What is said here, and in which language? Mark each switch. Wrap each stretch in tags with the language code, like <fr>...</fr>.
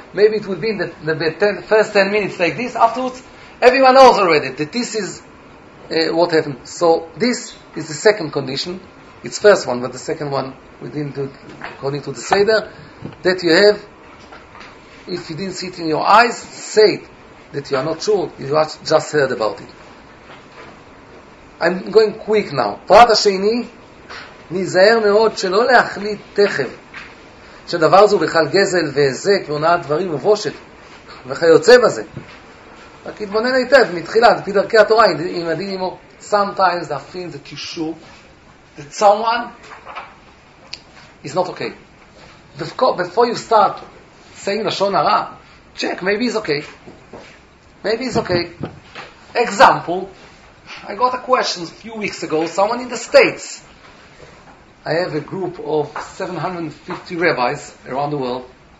<en>Maybe it would be in the first 10 minutes like this. Afterwards, everyone knows already that this is what happened. So this is the second condition. It's first one, but the second one we didn't do it according to the Seder, that you have, if you didn't see it in your eyes, say it, that you are not sure, you just heard about it. I'm going quick now.</en> <he>פרט השני, נזהר מאוד שלא להחליט תכף, שדבר זו בכלל גזל והזק ועונת דברים ובושת, וכיוצא בזה. רק התבונן היטב, מתחילה, לפי דרכי התורה, אם נדין אמו,</he> <en>sometimes the thing that you should, that someone is not okay. Before you start saying לשון הרע, check, maybe it's okay. Maybe it's okay. Example, I got a question a few weeks ago, someone in the States. I have a group of 750 rabbis around the world.</en>